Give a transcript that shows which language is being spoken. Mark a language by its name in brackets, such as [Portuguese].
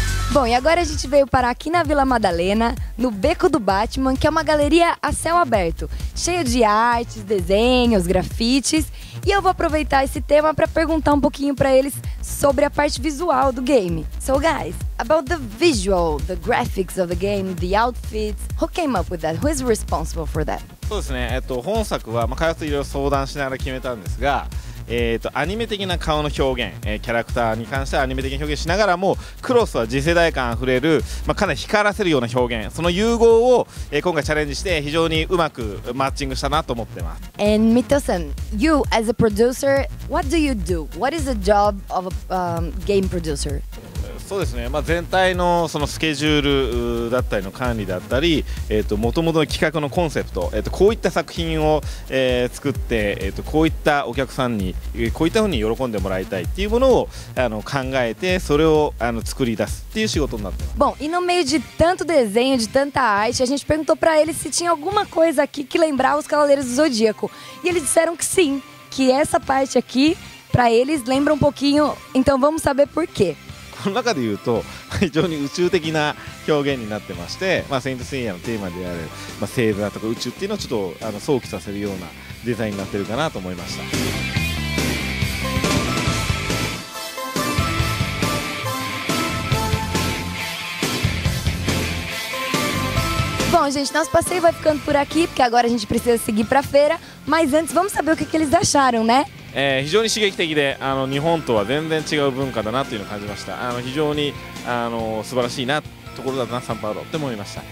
[Portuguese] Bom, e agora a gente veio parar aqui na Vila Madalena, no Beco do Batman, que é uma galeria a céu aberto, cheio de artes, desenhos, grafites. E eu vou aproveitar esse tema para perguntar um pouquinho para eles sobre a parte visual do game. [English] So guys, about the visual, the graphics of the game, the outfits, who came up with that? Who is responsible for that? [Japanese] そうですね、本作は、まあ、開発といろいろ相談しながら決めたんですが、アニメ的な顔の表現、キャラクターに関してはアニメ的な表現しながらも、クロスは次世代感あふれる、まあ、かなり光らせるような表現、その融合を、今回チャレンジして非常にうまくマッチングしたなと思ってます。 [English] And Mito-san, you as a producer, what do you do? What is the job of a game producer? [Japanese] そうですね、まあ、全体の、 そのスケジュールだったりの管理だったり、もともとの企画のコンセプト、こういった作品を、作って、こういったお客さんにこういったふうに喜んでもらいたいっていうものをあの考えて、それをあの作り出すっていう仕事になってます。 [Portuguese] Bom, e no meio de tanto desenho, de tanta arte, a gente perguntou para eles se tinha alguma coisa aqui que lembrava os Cavaleiros do Zodíaco. E eles disseram que sim, que essa parte aqui para eles lembra um pouquinho. Então vamos saber por quê. [Japanese] この中で言うと非常に宇宙的な表現になってまして、まあ、セイントセイヤのテーマである、まあ、星座とか宇宙っていうのをちょっとあの想起させるようなデザインになってるかなと思いました。 [Portuguese] Bom, gente, nosso passeio vai ficando por aqui porque agora a gente precisa seguir pra feira, mas antes vamos saber o que eles acharam, né? [Japanese] 非常に刺激的で、あの日本とは全然違う文化だなというのを感じました。あの非常にあの素晴らしいなところだな、サンパウロって思いました。